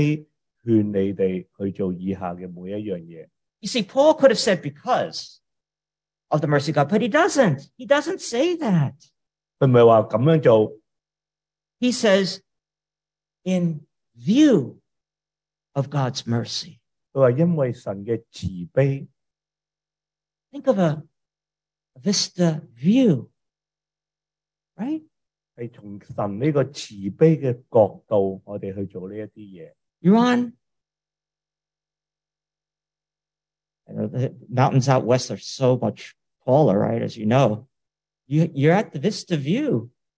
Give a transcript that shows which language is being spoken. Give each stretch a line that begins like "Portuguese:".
Chinese: 他就说,我以神的慈悲劝你们去做以下的每一样东西。
English: You see, Paul could have said because of the mercy of God, but he doesn't. He doesn't say that.
Chinese: 他不是说这样做,
English: he says, in view of God's mercy.
Chinese: 他说因为神的慈悲,
English: think of a vista view, right?
Chinese: 是从神这个慈悲的角度我们去做这些东西。
English: You're on. The mountains out west are so much taller, right? As you know, you're at the vista view.